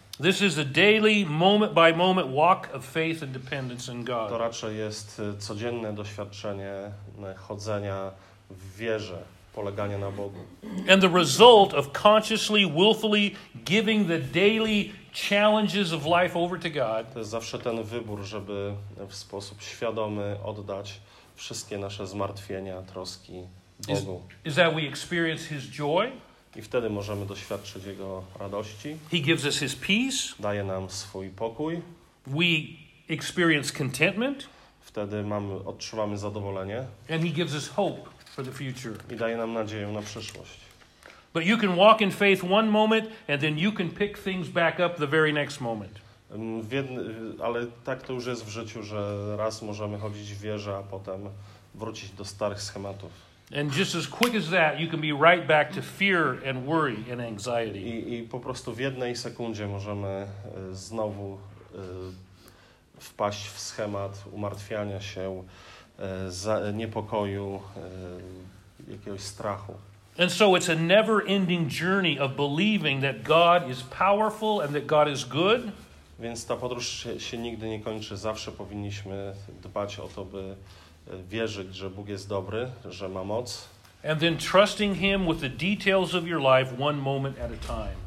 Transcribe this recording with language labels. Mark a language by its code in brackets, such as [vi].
[en] This is a daily, moment by moment walk of faith and dependence in God. [pl] To raczej jest codzienne doświadczenie chodzenia w wierze, polegania na Bogu. [en] And the result of consciously, willfully giving the daily challenges of life over to God. [pl] To jest zawsze ten wybór, żeby w sposób świadomy oddać wszystkie nasze zmartwienia, troski Bogu. [en] Is that we experience his joy? [pl] I wtedy możemy doświadczyć jego radości. [en] He gives us his peace. [pl] Daje nam swój pokój. [en] We experience contentment. [pl] Wtedy odczuwamy zadowolenie. [en] And he gives us hope for the future. [pl] I daje nam nadzieję na przyszłość. [en] But you can walk in faith one moment and then you can pick things back up the very next moment. [pl] Ale tak to już jest w życiu, że raz możemy chodzić w wierze, a potem wrócić do starych schematów. [en] And just as quick as that you can be right back to fear and worry and anxiety. [pl] I po prostu w jednej sekundzie możemy znowu wpaść w schemat umartwiania się, niepokoju, jakiegoś strachu. [en] And so it's a never-ending journey of believing that God is powerful and that God is good. [pl] Więc ta podróż się nigdy nie kończy. Zawsze powinniśmy dbać o to, by wierzyć, że Bóg jest dobry, że ma moc. [en] And then trusting him with the details of your life one moment at a time.